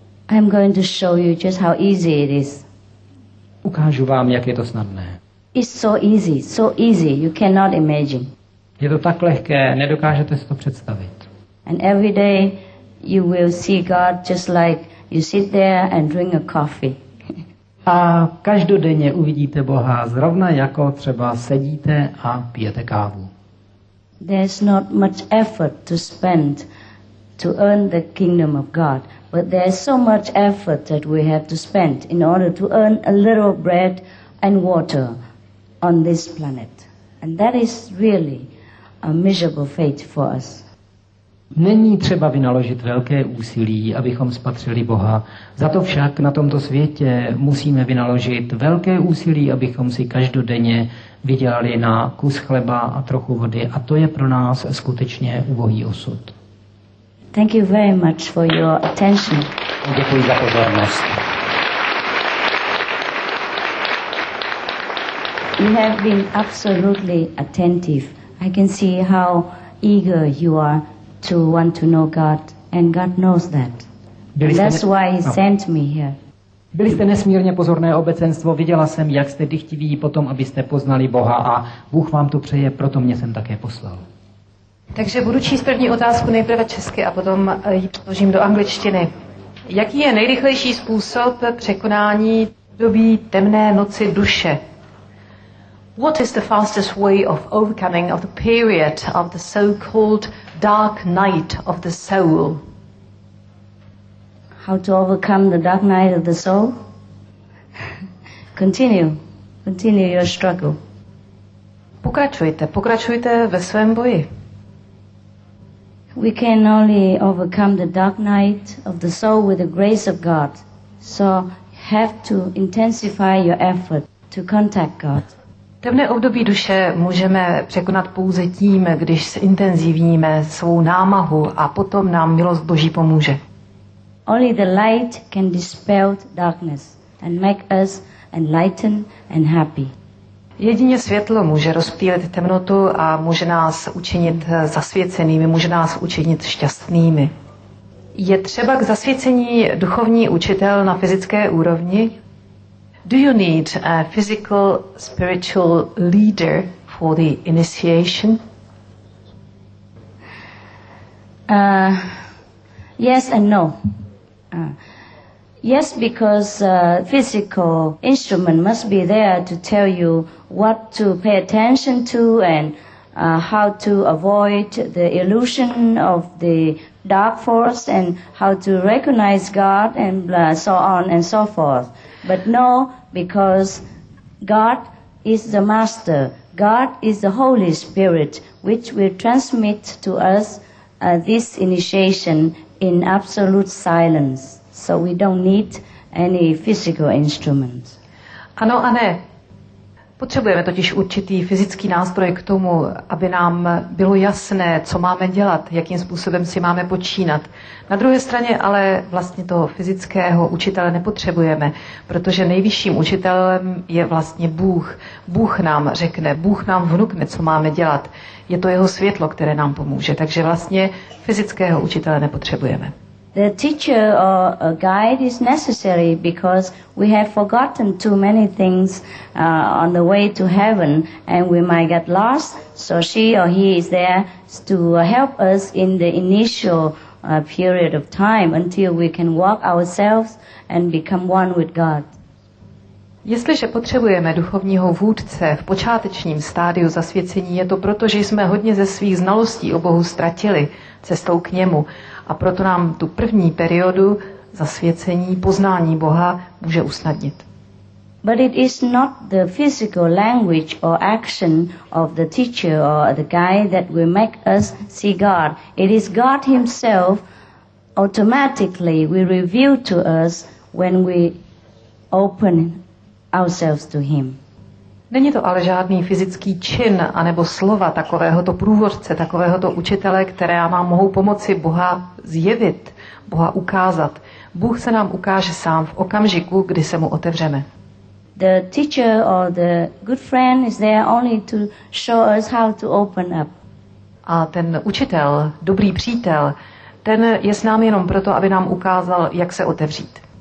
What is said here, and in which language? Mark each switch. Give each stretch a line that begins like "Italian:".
English: I'm going to show you just how easy it is.
Czech: Ukážu vám, jak je to snadné.
English: It's so easy, you cannot imagine.
Czech: Je to tak lehké, nedokážete si to představit.
English: And every day you will see God just like you sit there and drink a coffee.
Czech: A každodenně uvidíte Boha zrovna jako třeba sedíte a pijete kávu.
English: There's not much effort to spend to earn the kingdom of God, but there's so much effort that we have to spend in order to earn a little bread and water on this planet. And that is really a miserable fate for us.
Czech: Není třeba vynaložit velké úsilí, abychom spatřili Boha. Za to však na tomto světě musíme vynaložit velké úsilí, abychom si každodenně vydělali na kus chleba a trochu vody. A to je pro nás skutečně ubohý osud.
English: Thank you very much for your attention.
Czech: Děkuji za pozornost.
English: You have been absolutely attentive. I can see how eager you are to want to know God, and God knows that. That's why He sent me here.
Czech: Byli jste nesmírně pozorné obecenstvo, viděla jsem, jak jste dychtiví potom, abyste poznali Boha, a Bůh vám to přeje, proto mě jsem také poslal. Takže budu číst první otázku nejprve česky a potom ji přeložím do angličtiny. Jaký je nejrychlejší způsob překonání doby temné noci duše?
English: What is the fastest way of overcoming of the period of the so-called dark night of the soul? How to overcome the dark night of the soul? Continue. Continue your struggle.
Czech: Pokračujte. Pokračujte ve svém boji.
English: We can only overcome the dark night of the soul with the grace of God. So have to intensify your effort to contact God.
Czech: Temné období duše můžeme překonat pouze tím, když zintenzivníme svou námahu a potom nám milost Boží pomůže.
English: Only the light can dispel darkness and make us enlightened and happy.
Czech: Jedině světlo může rozptýlit temnotu a může nás učinit zasvěcenými, může nás učinit šťastnými. Je třeba k zasvěcení duchovní učitel na fyzické úrovni?
English: Do you need a physical spiritual leader for the initiation? Yes and no. Yes, because physical instrument must be there to tell you what to pay attention to and how to avoid the illusion of the dark force and how to recognize God and so on and so forth. But no, because God is the master. God is the Holy Spirit, which will transmit to us this initiation in absolute silence. So we don't need any physical instrument.
Czech: Ano a ne. Potřebujeme totiž určitý fyzický nástroj k tomu, aby nám bylo jasné, co máme dělat, jakým způsobem si máme počínat. Na druhé straně ale vlastně toho fyzického učitele nepotřebujeme, protože nejvyšším učitelem je vlastně Bůh. Bůh nám řekne, Bůh nám vnukne, co máme dělat. Je to jeho světlo, které nám pomůže. Takže vlastně fyzického učitele nepotřebujeme.
English: The teacher or a guide is necessary because we have forgotten too many things on the way to heaven and we might get lost. So she or he is there to help us in the initial period of time until we can walk ourselves and become one with God.
Czech: Jestliže potřebujeme duchovního vůdce v počátečním stádiu zasvěcení, je to proto, že jsme hodně ze svých znalostí o Bohu ztratili cestou k němu. A proto nám tu první periodu zasvěcení, poznání Boha může usnadnit.
English: But it is not the physical language or action of the teacher or the guide that will make us see God. It is God himself automatically will reveal to us when we open ourselves to him.
Czech: Není to ale žádný fyzický čin anebo slova takovéhoto průvodce, takovéhoto učitele, které nám mohou pomoci Boha zjevit, Boha ukázat. Bůh se nám ukáže sám v okamžiku, kdy se mu otevřeme.
English: The teacher or the good friend is there only to show us how to open up.
Czech: A ten učitel, dobrý přítel, ten je s námi jenom proto, aby nám ukázal, jak se otevřít.